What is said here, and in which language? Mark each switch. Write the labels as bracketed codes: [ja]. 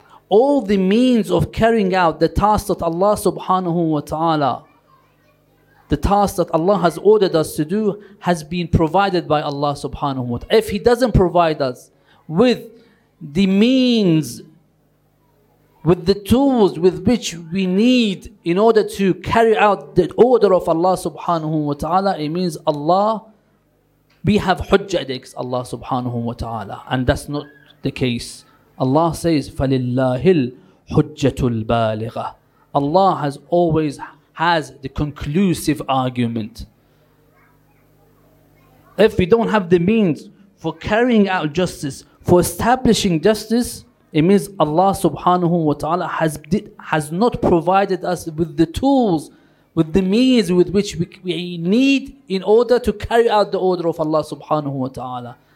[en] All the means of carrying out the task that Allah subhanahu wa ta'ala, the task that Allah has ordered us to do, has been provided by Allah subhanahu wa ta'ala. If He doesn't provide us with the means, with the tools with which we need in order to carry out the order of Allah subhanahu wa ta'ala, it means Allah, we have hujja against Allah subhanahu wa ta'ala. And that's not the case. [ar] Allah says, فَلِلَّهِ الْحُجَّةُ الْبَالِغَةُ. [en] Allah has always has the conclusive argument. If we don't have the means for carrying out justice, for establishing justice, It means Allah subhanahu wa ta'ala has not provided us with the tools, with the means with which we need in order to carry out the order of Allah subhanahu wa ta'ala.